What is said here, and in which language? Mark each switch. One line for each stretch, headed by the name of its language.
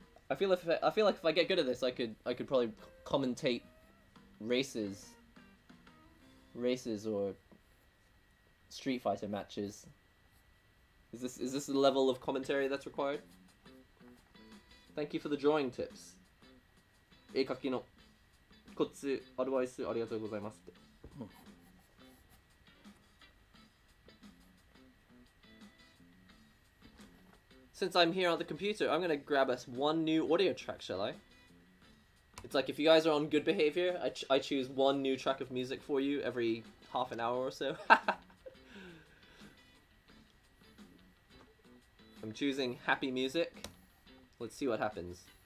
English: I feel like if I get good at this, I could probably commentate races or Street Fighter matches. Is this the level of commentary that's required? Thank you for the drawing tips.
Japanese: 絵描きのコツ、アドバイスありがとうございますって。
English: Since I'm here on the computer, I'm gonna grab us one new audio track, shall I? It's like if you guys are on good behavior, I choose one new track of music for you every half an hour or so. I'm choosing happy music. Let's see what happens.